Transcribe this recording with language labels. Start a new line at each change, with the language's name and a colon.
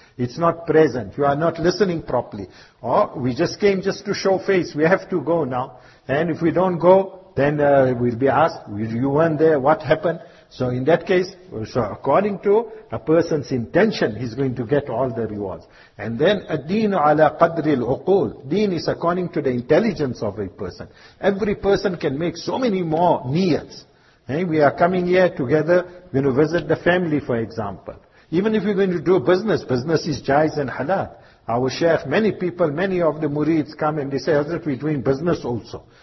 English: It's not present, you are not listening properly. Or we just came just to show face, we have to go now. And if we don't go, then we'll be asked, you weren't there, what happened? So in that case, so according to a person's intention, he's going to get all the rewards. And then,
Arabic: الدين على قدر العقول.
English: Deen is according to the intelligence of a person. Every person can make so many more niyats. Hey, we are coming here together, we're going to visit the family, for example. Even if we're going to do business is jais and halal. Our sheikh, many of the murids come and they say, Hazrat, we're doing business also.